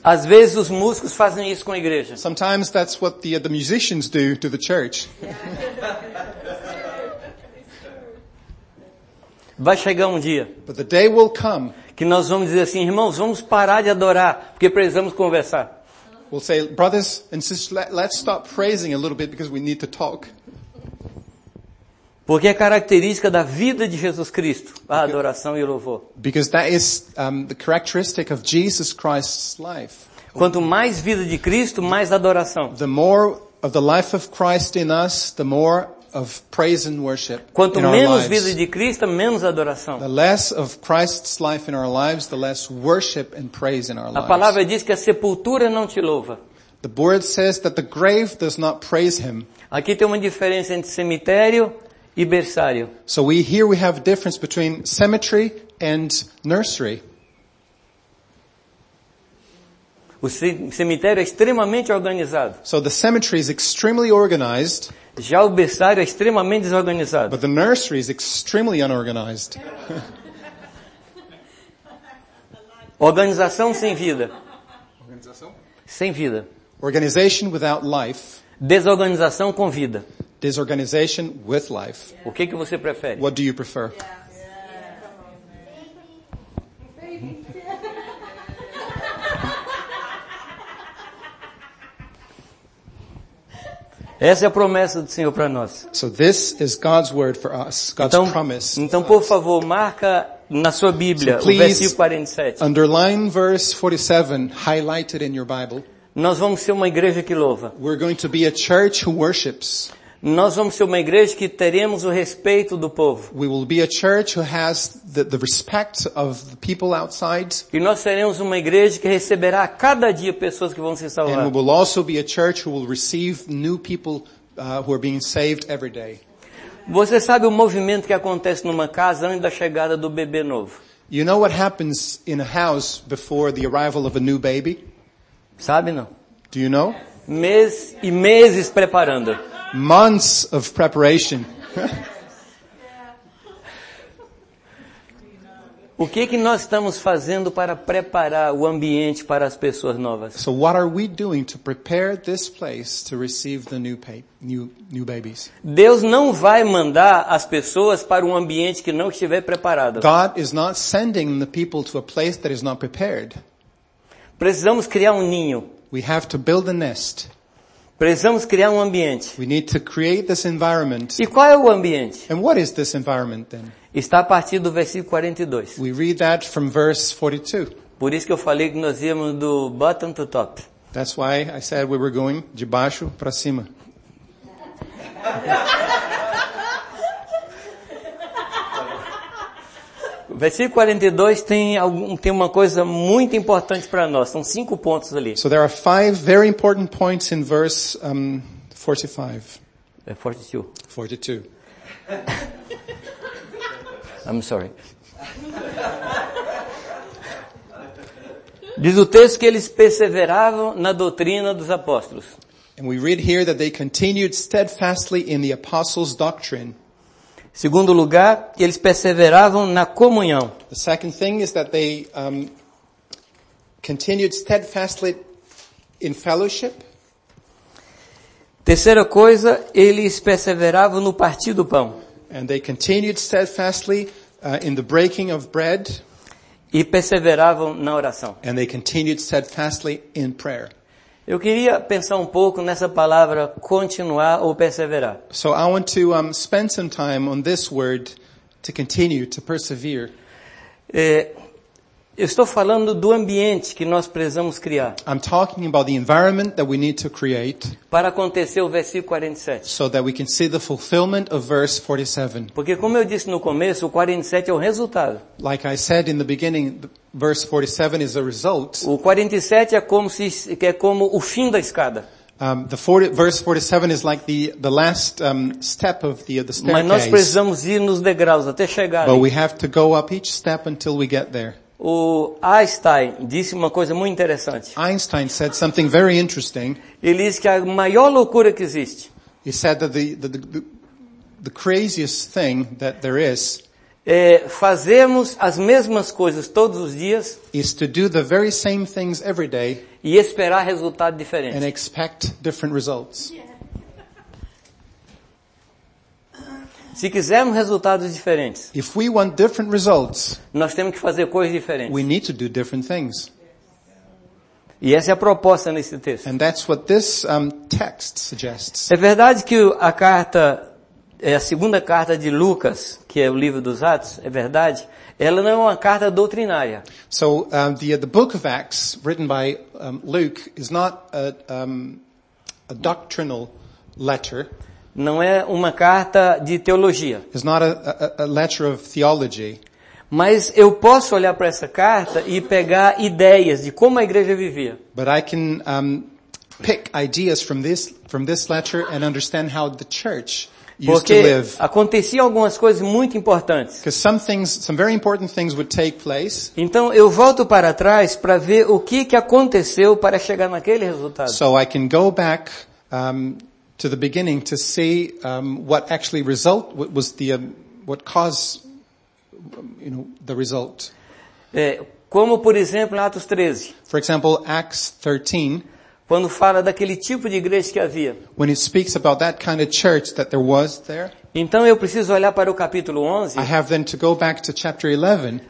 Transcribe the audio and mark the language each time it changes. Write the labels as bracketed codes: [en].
[pt] Às vezes os músicos fazem isso com a igreja. [en] Sometimes that's what the musicians do to the church. [pt] Vai chegar um dia. [en] But the day will come. [pt] Que nós vamos dizer assim, irmãos, vamos parar de adorar, porque precisamos conversar. [en] We'll say, brothers and sisters, let's stop praising a little bit because we need to talk. [pt] Porque é característica da vida de Jesus Cristo, a adoração e o louvor. [en] Because that is the characteristic of Jesus Christ's life. [pt] Quanto mais vida de Cristo, mais adoração. [en] The more of the life of Christ in us, the more of praise and worship. [pt] Quanto menos [en] lives. [pt] Vida de Cristo, menos adoração. [en] The less of Christ's life in our lives, the less worship and praise in our lives. [pt] A palavra diz que a sepultura não te louva. [en] The word says that the grave does not praise him. [pt] Aqui tem uma diferença entre cemitério e berçário. [en] So we here we have a difference between cemetery and nursery. [pt] O cemitério é extremamente organizado. [en] So the cemetery is extremely organized. [pt] Já o berçário é extremamente desorganizado. [en] But the nursery is extremely unorganized. [pt] Organização sem vida. Organização? Sem vida. [en] Organization without life. [pt] Desorganização com vida. [en] Disorganization with life. [pt] O que que você prefere? [en] What do you prefer? [pt] Essa é a promessa do Senhor para nós. [en] So this is God's word for us. God's [pt] então, [en] promise. [pt] Então, por favor, marca na sua Bíblia [en] so please, [pt] o versículo 47. [en] Underline verse 47, highlight it in your Bible. [pt] Nós vamos ser uma igreja que louva. [en] We're going to be a church who worships. [pt] Nós vamos ser uma igreja que teremos o respeito do povo. [en] We will be a church who has the respect of the people outside. [pt] E nós seremos uma igreja que receberá a cada dia pessoas que vão ser salvar. [en] And we will also be a church who will receive new people who are being saved every day. [pt] Você sabe o movimento que acontece numa casa antes da chegada do bebê novo? [en] You know what happens in a house before the arrival of a new baby? [pt] Sabe não? [en] Do you know? [pt] Meses e meses preparando. [en] Months of preparation. [pt] O que que nós estamos fazendo para preparar o ambiente para as pessoas novas? [en] So what are we doing to prepare this place to receive the new babies? [pt] Deus não vai mandar as pessoas para um ambiente que não estiver preparado. [en] God is not sending the people to a place that is not prepared. [pt] Precisamos criar um ninho. [en] We have to build a nest. [pt] Precisamos criar um ambiente. [en] We need to create this environment. [pt] E qual é o ambiente? [en] And what is this environment then? [pt] Está a partir do versículo 42. [en] We read that from verse 42. [pt] Por isso que eu falei que nós íamos do [en] bottom to top. That's why I said we were going [pt] de baixo para cima. Versículo 42 tem uma coisa muito importante para nós. São cinco pontos ali. [en] So there are five very important points in verse 45. [pt] 42. [en] I'm sorry. [pt] Diz o texto que eles perseveravam na doutrina dos apóstolos. [en] And we read here that they continued steadfastly in the apostles' doctrine. [pt] Segundo lugar, eles perseveravam na comunhão. [en] The second thing is that they continued steadfastly in fellowship. [pt] Terceira coisa, eles perseveravam no partir do pão. [en] And they continued steadfastly in the breaking of bread. [pt] E perseveravam na oração. [en] And they continued steadfastly in prayer. [pt] Eu queria pensar um pouco nessa palavra continuar ou perseverar. [en] So I want to spend some time on this word to continue, to persevere. [pt] Eu estou falando do ambiente que nós precisamos criar. [en] I'm talking about the environment that we need to create. [pt] Para acontecer o versículo 47. [en] So that we can see the fulfillment of verse 47. [pt] Porque como eu disse no começo, o 47 é o resultado. [en] Like I said in the beginning, verse 47 is the result. [pt] O 47 é como o fim da escada. [en] Verse 47 is like the last step of the staircase. [pt] Mas nós precisamos ir nos degraus até chegar. [en] But we have to go up each step until we get there. [pt] O Einstein disse uma coisa muito interessante. [en] Einstein said something very interesting. [pt] Ele disse que a maior loucura que existe. [en] He said that the craziest thing that there is. [pt] É fazermos as mesmas coisas todos os dias. [en] Is to do the very same things every day. [pt] E esperar resultado diferente. [en] And expect different results. [pt] Se quisermos resultados diferentes, [en] if we want different results, [pt] nós temos que fazer coisas diferentes. [en] We need to do different things. [pt] E essa é a proposta nesse texto. [en] And that's what this text suggests. [pt] É verdade que a carta, a segunda carta de Lucas, que é o livro dos Atos, é verdade, ela não é uma carta doutrinária. [en] So the book of Acts, written by Luke, is not a doctrinal letter. [pt] Não é uma carta de teologia. [en] It's not a letter of theology. [pt] Mas eu posso olhar para essa carta e pegar ideias de como a igreja vivia. [en] But I can pick ideas from this letter and understand how the church used [pt] Porque [en] to live. [pt] Porque aconteciam algumas coisas muito importantes. [en] Because some very important things would take place. [pt] Então eu volto para trás para ver o que aconteceu para chegar naquele resultado. [en] So I can go back to the beginning to see what actually result what was the what caused you know the result. [pt] Como por exemplo em Atos 13. [en] For example, Acts 13. [pt] Quando fala daquele tipo de igreja que havia. [en] When it speaks about that kind of church that there was there. [pt] Então eu preciso olhar para o capítulo 11. [en] I have then to go back to chapter 11.